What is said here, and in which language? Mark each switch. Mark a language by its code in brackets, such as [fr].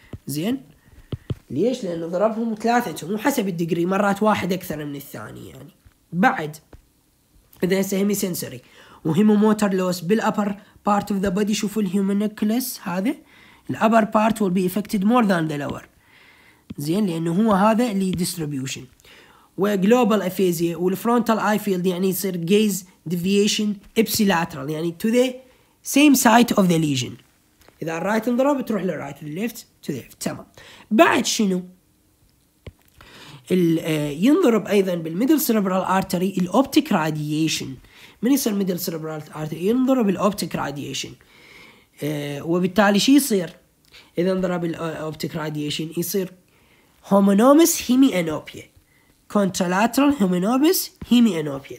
[ar] زين ليش؟ لانه ضربهم ثلاثتهم وحسب الديجري مرات واحد اكثر من الثاني. يعني بعد اذا هيمي سنسوري وهيمو موتر لوس بالابر بارت اوف ذا بودي، شوفوا الهيومنكلس هذا الأبر بارت [en] will be affected more than the lower. [ar] زين لأنه هو هذا اللي distribution وglobal aphasia والfrontal eye field، يعني يصير [en] gaze deviation ipsilateral [ar] يعني [en] to the same site of the lesion. [ar] إذا الرايت انضرب تروح للرايت، الليفت [en] to the left. [ar] تمام. بعد شنو؟ ينضرب أيضا بالميدل cerebral artery الoptic radiation. من يصير ميدل cerebral artery ينضرب الoptic radiation، وبالتالي شي يصير إذا انضرب الأوبتيك راديشن؟ يصير هومونومس هيمي أنوبيا، كونترالاترال هومونومس هيمي أنوبيا.